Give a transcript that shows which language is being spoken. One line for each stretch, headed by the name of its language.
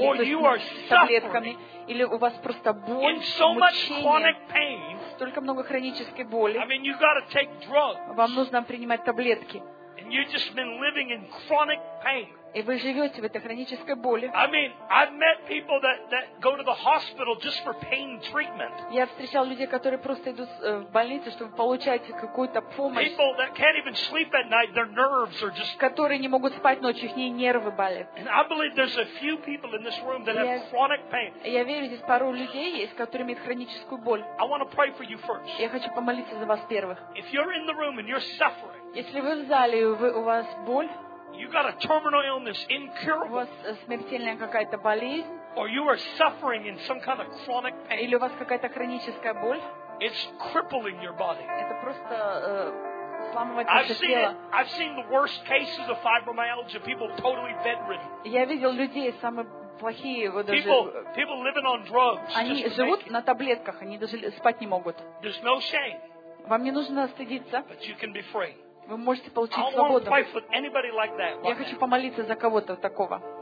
English: or you are
Russian: таблетками, или у вас просто боль,
English: in so
Russian: мучение,
English: much chronic pain,
Russian: столько много хронической боли.
English: I mean, you've got to take drugs,
Russian: вам нужно принимать таблетки.
English: And you've just been living in chronic pain.
Russian: И вы живете в этой хронической боли.
English: I mean, I've met people that go to the hospital just for pain treatment.
Russian: Я встречал людей, которые просто идут в больницу, чтобы получать какую-то помощь.
English: People that can't even sleep at night, their nerves are just.
Russian: Которые не могут спать ночью, их нервы болят.
English: And I believe there's a few people in this room that have chronic pain.
Russian: Я верю, здесь пару людей есть, которые имеют хроническую боль.
English: I want to pray for you first.
Russian: Я хочу помолиться за вас первых.
English: If you're in the room and you're suffering.
Russian: Если вы в зале, у вас боль.
English: You got a terminal illness, incurable.
Russian: У вас смертельная какая-то болезнь.
English: Or you are suffering in some kind of chronic pain.
Russian: Или у вас какая-то хроническая боль.
English: It's crippling your body.
Russian: Это просто сломывает ваше тело.
English: I've seen the worst cases of fibromyalgia, people totally bedridden.
Russian: Я видел людей самые плохие, вот даже.
English: People living on drugs.
Russian: Они живут на таблетках, они даже спать не могут.
English: There's no shame.
Russian: Вам не нужно стыдиться.
English: But you can be free.
Russian: Вы можете получить свободу.
English: Like that, right?
Russian: Я хочу помолиться за кого-то такого.